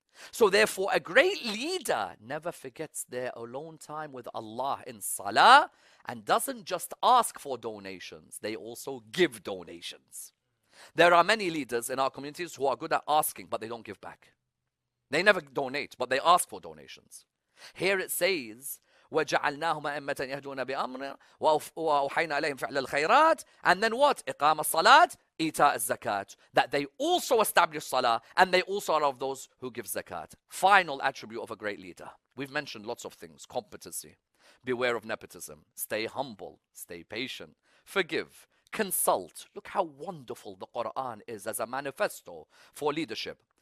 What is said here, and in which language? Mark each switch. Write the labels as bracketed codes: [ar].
[en] So therefore, a great leader never forgets their alone time with Allah in salah and doesn't just ask for donations, they also give donations. There are many leaders in our communities who are good at asking, but they don't give back. They never donate, but they ask for donations. Here it says, [ar] وَجَعَلْنَاهُمَ أَمَّةً يَهْدُونَ بِأَمْرٍ وَأَوْحَيْنَا عَلَيْهِمْ فِعْلَ الْخَيْرَاتِ. [en] And then what? [ar] إِقَامَ الصَّلَاةِ, إِيْتَاءَ الزَّكَاةِ. [en] That they also establish salah, and they also are of those who give zakat. Final attribute of a great leader. We've mentioned lots of things. Competency. Beware of nepotism. Stay humble. Stay patient. Forgive. Consult. Look how wonderful the Quran is as a manifesto for leadership.